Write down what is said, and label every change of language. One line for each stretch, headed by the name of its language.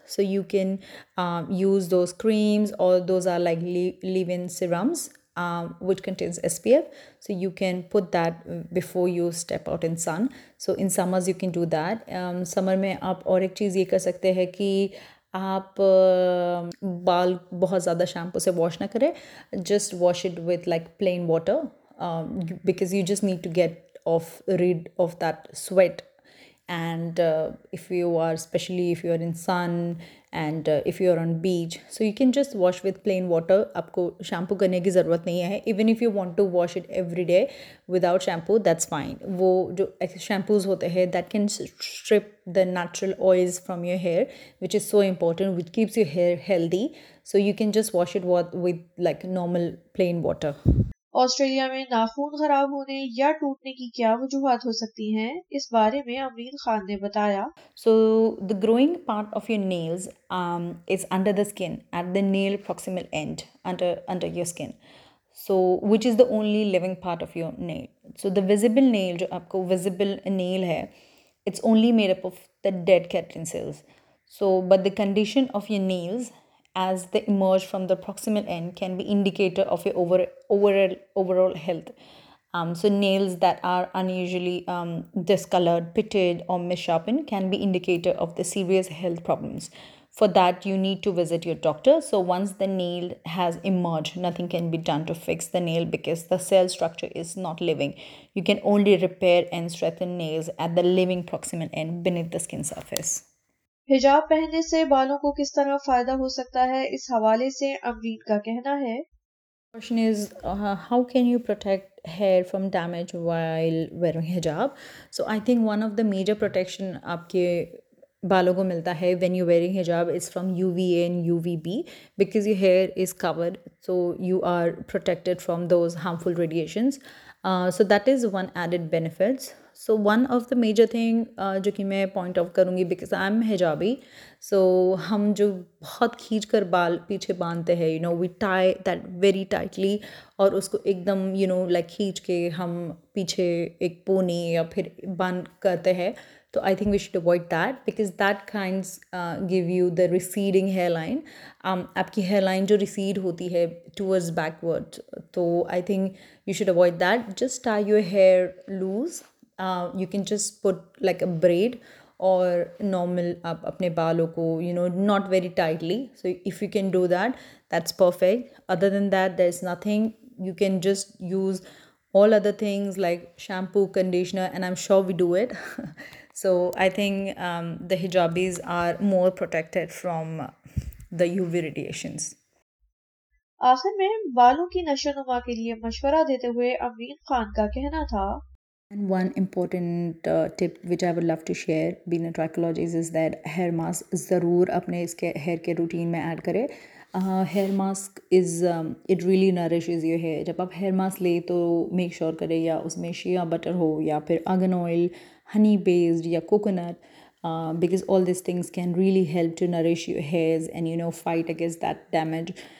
English: So you can use those creams, or those are like leave-in serums which contains SPF. So you can put that before you step out in sun. So in summers you can do that.
Hindi: Summer mein aap aur ek cheez ye kar sakte hai ki आप बाल बहुत ज़्यादा shampoo से wash ना करें,
English: Just wash it with like plain water, because you just need to get off rid of that sweat. And if you are specially if you are in sun and if you are on beach, so you can just wash with plain water.
Hindi: आपको shampoo करने की ज़रूरत नहीं है.
English: Even if you want to wash it every day without shampoo, that's fine.
Hindi: वो जो shampoos होते हैं
English: That can strip the natural oils from your hair, which is so important, which keeps your hair healthy. So you can just wash it with like normal plain water.
Hindi: Australia में नाखून खराब होने या टूटने की क्या वजूहत हो सकती हैं? इस बारे में अमरीन खान ने बताया.
English: So the growing part of your nails is under the skin at the nail proximal and under your skin, so which is the only living part of your nail. So the visible nail,
Hindi: जो आपको visible nail है,
English: It's only made up of the dead keratin cells. So but the condition of your nails as they emerge from the proximal end can be indicator of your overall health. So nails that are unusually discolored, pitted or misshapen can be indicator of the serious health problems. For that you need to visit your doctor. So once the nail has emerged, nothing can be done to fix the nail because the cell structure is not living. You can only repair and strengthen nails at the living proximal end beneath the skin surface.
Hindi: हिजाब पहनने से बालों को किस तरह फ़ायदा हो सकता है, इस हवाले से अमरीन का कहना है.
English: Question is how can you protect hair from damage while wearing hijab. So I think one of the major protection
Hindi: आपके बालों को मिलता है
English: When you wearing hijab is from UVA and UVB, because your hair is covered, so you are protected from those harmful radiations. So that is one added benefits. So one of the major thing
Hindi: जो कि मैं
English: point out करूँगी, because I am hijabi,
Hindi: सो हम जो बहुत खींच कर बाल पीछे बांधते हैं,
English: you know we tie that very tightly,
Hindi: और उसको एकदम
English: you know like
Hindi: खींच के हम पीछे एक पोनी या फिर बांध करते हैं, तो
English: I think we should avoid that, because that kinds give you the receding hair line. आपकी hair line
Hindi: जो रिसीड होती है
English: Towards backward, तो I think you should avoid that. Just tie your hair loose, you can just put like a braid or normal up
Hindi: apne baalon ko,
English: you know, not very tightly. So if you can do that, that's perfect. Other than that, there's nothing. You can just use all other things like shampoo, conditioner, and I'm sure we do it. So I think the hijabis are more protected from the UV radiations.
Hindi: आखिर में बालों की नशोनुमा के लिए मशवरा देते हुए अमरीन खान का कहना था.
English: And one important tip which I would love to share being a trichologist is that hair mask
Hindi: zarur apne iske hair care routine mein add kare.
English: Hair mask is it really nourishes your hair.
Hindi: Jab aap hair mask le to make sure kare ya usme
English: shea butter
Hindi: ho ya phir
English: argan oil, honey based ya coconut, because all these things can really help to nourish your hairs and you know fight against that damage.